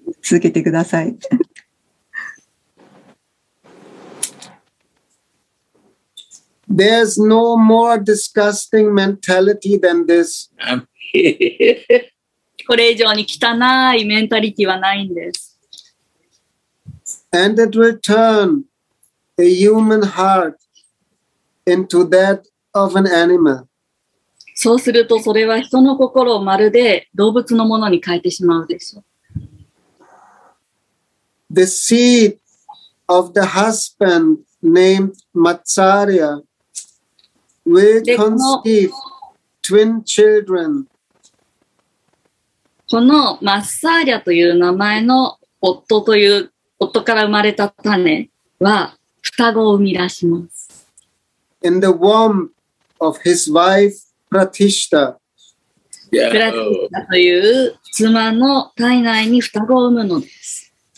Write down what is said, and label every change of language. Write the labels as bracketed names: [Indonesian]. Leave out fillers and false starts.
[Japanese] 続けてください。 [English] There's no more disgusting mentality than this. [Japanese] これ以上に汚いメンタリティはないんです。 [English] And it will turn a human heart into that of an animal. [Japanese] そうすると、それは人の心をまるで動物のものに変えてしまうでしょう。 [English] The seed of the husband named Matsarya will conceive twin children. [Japanese] このマッサーリャという名前の夫という夫から生まれた種は双子を生み出します。 [English] In the womb of his wife,プラティシタ。 [Japanese] プラティシタという妻の体内に双子を産むのです。